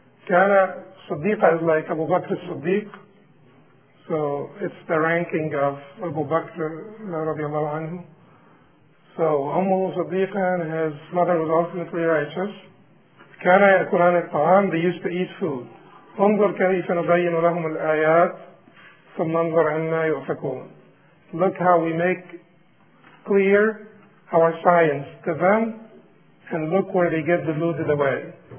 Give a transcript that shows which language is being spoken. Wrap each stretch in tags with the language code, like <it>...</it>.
<ar>كَانَ صَدِّيقَةٌ</ar> <en>is like Abu Bakr al-Siddiq. So it's the ranking of Abu Bakr radiallahu anhu. So</en> <ar>وَأُمُّهُ صَدِّيقَةٌ,</ar> <en>his mother was ultimately righteous.</en> <ar>كَانَ يَأْكُلَانِ الطَّعَامِ,</ar> <en>they used to eat food.</en> <ar>انظر كيف نبين لهم الآيات ثم انظر عنا يؤفكون.</ar> <en>Look how we make clear our science to them, and look where they get deluded away.</en>